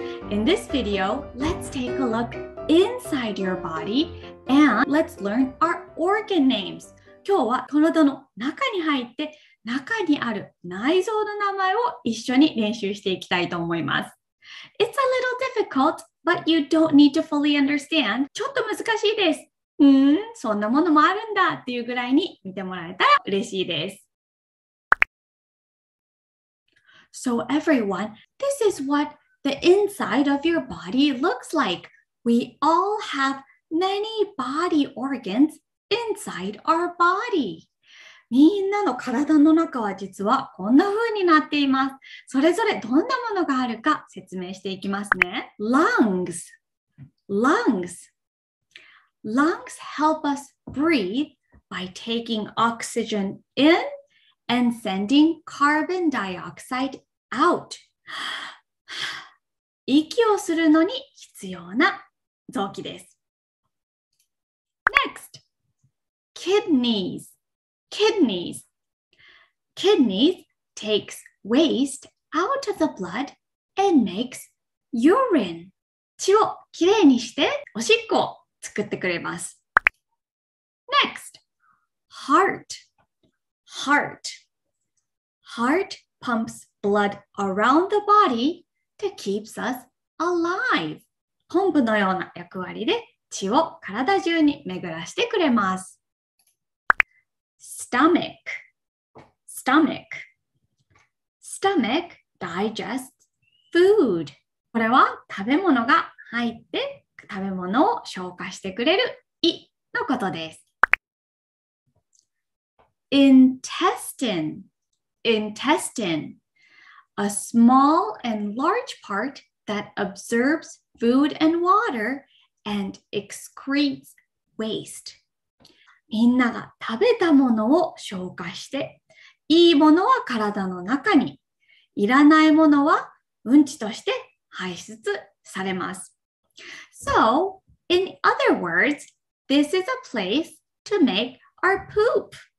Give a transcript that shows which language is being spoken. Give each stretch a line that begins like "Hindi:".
English: In this video, let's take a look inside your body and let's learn our organ names.
Japanese: 今日は体の中に入って中にある内臓の名前を一緒に練習していきたいと思います。
English: It's a little difficult, but you don't need to fully understand.
Japanese: ちょっと難しいです。そんなものもあるんだっていうぐらいに見てもらえたら嬉しいです。
English: So everyone, this is what the inside of your body looks like. We all have many body organs inside our body.
Japanese: みんなの体の中は実はこんな風になっています。それぞれどんなものがあるか説明していきますね。
English: Lungs. Lungs. Lungs help us breathe by taking oxygen in and sending carbon dioxide out.
Japanese: 息をするのに必要な臓器です。
English: Next, kidneys. Kidneys. Kidneys takes waste out of the blood and makes urine.
Japanese: 血をきれいにしておしっこ。作ってくれます。
English: Next, heart. Heart. Heart pumps blood around the body to keep us alive.
Japanese: ポンプのような役割で血を体中に巡らしてくれます。
English: Stomach. Stomach. Stomach digests food.
Japanese: これは食べ物が入って食べ物を消化してくれる胃のことです。
English: Intestine. Intestine. A small and large part that absorbs food and water and excretes waste.
Japanese: みんなが食べたものを消化して、いいものは体の中に、いらないものはうんちとして排出されます。
English: So, in other words, this is a place to make our poop.